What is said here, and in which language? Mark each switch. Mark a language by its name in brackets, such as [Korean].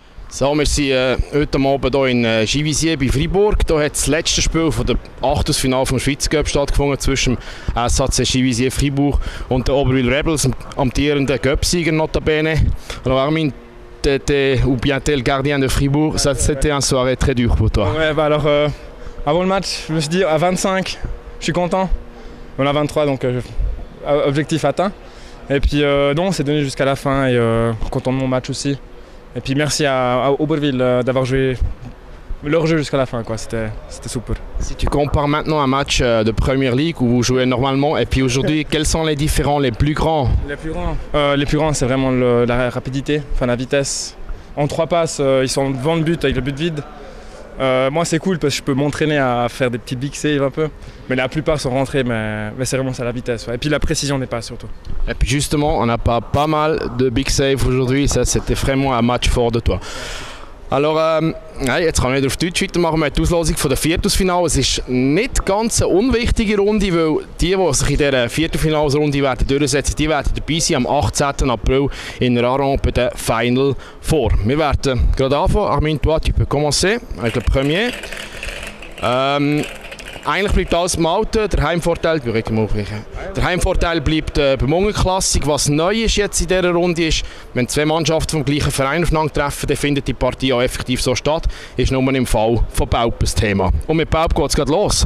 [German] So, wir sind heute Abend hier in Givisier bei Fribourg. Hier hat das letzte Spiel von der Achtelfinale vom Schweizer Cup stattgefunden zwischen SHC Givisier Fribourg und den Oberwil Rebels, amtierenden Cup-Sieger notabene. [French] Alors, Armin, tu étais ou bien tel gardien de Fribourg, ça, c'était une soirée très dure pour toi. Ouais, bah alors avant le match, je me suis dit à 25, je suis content. On a 23, donc objectif atteint. Et puis non, c'est donné jusqu'à la fin et content de mon match aussi. Et puis merci à Oberville d'avoir joué leur jeu jusqu'à la fin, quoi. C'était super. Si tu compares maintenant un match de Premier League où vous jouez normalement, et puis aujourd'hui, quels sont les différents, les plus grands? Les plus grands, c'est vraiment la rapidité, enfin la vitesse. En trois passes, ils sont devant le but avec le but vide. Moi, c'est cool parce que je peux m'entraîner à faire des petites big saves un peu. Mais la plupart sont rentrés, mais c'est vraiment ça, la vitesse. Ouais. Et puis la précision n'est pas, surtout. Et puis justement, on n'a pas mal de big saves aujourd'hui. Ça, c'était vraiment un match fort de toi. [German] Alors, jetzt kann ich auf Deutsch weitermachen. Wir haben die Auslosung von der Viertelfinale. Es ist nicht ganz eine unwichtige Runde, weil die sich in dieser Viertelfinalsrunde durchsetzen werden, die werden dabei sein am 18. April in Raron bei der Final Four. Wir werden gerade anfangen. [French] Armin, toi, tu peux commencer avec le premier. [German] Eigentlich bleibt alles im Alten. Der Heimvorteil bleibt beim Unterklassik. Was neu ist jetzt in dieser Runde ist, wenn zwei Mannschaften vom gleichen Verein aufeinander treffen, dann findet die Partie auch effektiv so statt. Ist nur im Fall von Baup ein Thema. Und mit Baup geht es gerade los.